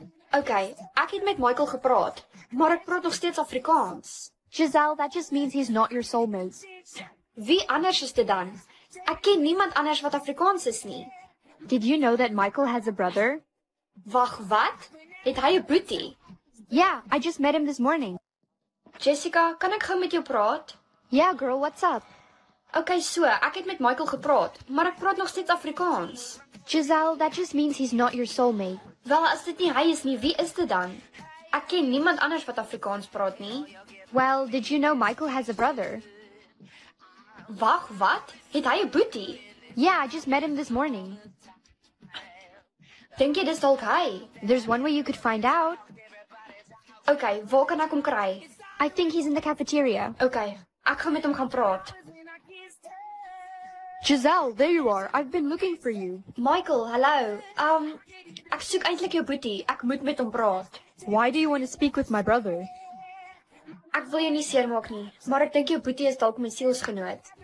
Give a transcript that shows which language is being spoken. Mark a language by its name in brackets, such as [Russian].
[Afrikaans] Okay, ek het met Michael gepraat, maar ek praat nog steeds Afrikaans. [English] Giselle, that just means he's not your soulmate. [Afrikaans] Wie anders is dit dan? Ek ken niemand anders wat Afrikaans is nie. [English] Did you know that Michael has a brother? [Afrikaans] Wag, wat? Het hy 'n boetie? [English] Yeah, I just met him this morning. [Afrikaans] Jessica, kan ek gou met jou praat? [English] Yeah, girl, what's up? [Afrikaans] Okay, so, ek het met Michael gepraat, maar ek praat nog steeds Afrikaans. [English] Giselle, that just means he's not your soulmate. [Afrikaans] Wel, as dit nie hy is nie, wie is dit dan? Ek ken niemand anders wat Afrikaans praat nie. [English] Well, did you know Michael has a brother? [Afrikaans] Wag, wat? Het hy 'n boetie? [English] Yeah, I just met him this morning. [Afrikaans] Dink jy dis dalk hy? [English] There's one way you could find out. [Afrikaans] Okay, waar kan ek hom kry? [English] I think he's in the cafeteria. [Afrikaans] Okay, ek gaan met hom gaan praat. [English] Giselle, there you are. I've been looking for you. [Afrikaans] Michael, hallo. Ek soek eintlik jou boetie. Ek moet met hom praat. [English] Why do you want to speak with my brother? [Afrikaans] Ek wil jou nie seermaak nie, maar ek dink jou boetie is dalk my sielsgenoot.